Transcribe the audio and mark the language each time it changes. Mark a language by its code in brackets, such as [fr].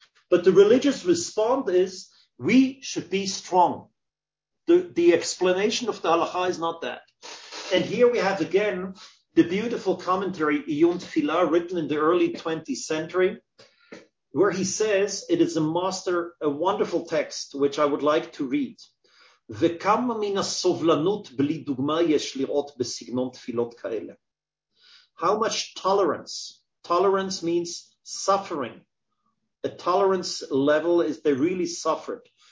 [en] But the religious response is we should be strong. The explanation of the halacha is not that. And here we have again the beautiful commentary, Iyun Tefillah, written in the early 20th century, where he says it is a wonderful text, which I would like to read. [he] וכמה מן הסובלנות בלי דוגמה יש לראות בסגנון תפילות כאלה? [en] How much tolerance? Tolerance means suffering. A tolerance level is they really suffered.